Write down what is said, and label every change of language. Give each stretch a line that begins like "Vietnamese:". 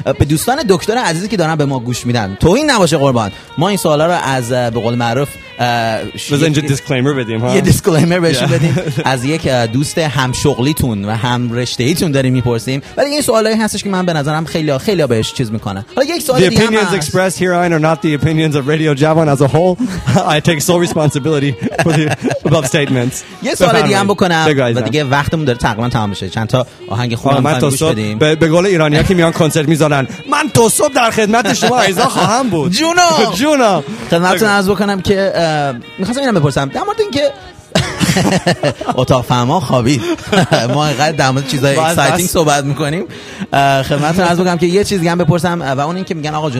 Persian: به دوستان دکتر عزیزی که دارن به ما گوش میدن تو این نباشه قربان، ما این سوالا رو از به قول معروف اینجا دیسکلیمر بدیم ها، یه دیسکلیمر بهشون بدیم، از یک دوست هم شغلیتون و هم رشته ایتون داریم میپرسیم، ولی این سوالایی هستش که من به نظرم خیلی بهش چیز میکنه. حالا یک سوال دیگه،
English: the opinions expressed here are not the opinions of Radio Javan as a whole. I take sole responsibility for the above statements.
Persian: یه سوال دیگه هم بکنم و دیگه وقتمون داره تقریبا تمام میشه، چند تا آهنگ خوب هم گوش بدیم. به قول ایرانی‌ها که میان کنسرت میذارن، من تو صبح در خدمت شما عیزا خواهم بود. جونا خدمتتون عرض بکنم که میخواستم اینم بپرسم در مورد اینکه اتاق فرما خوابید، ما اینقدر در مورد چیزای اکسایتینگ صحبت میکنیم، خدمتتون عرض بکنم که یه چیز دیگه هم بپرسم و اون اینکه میگن آقا جون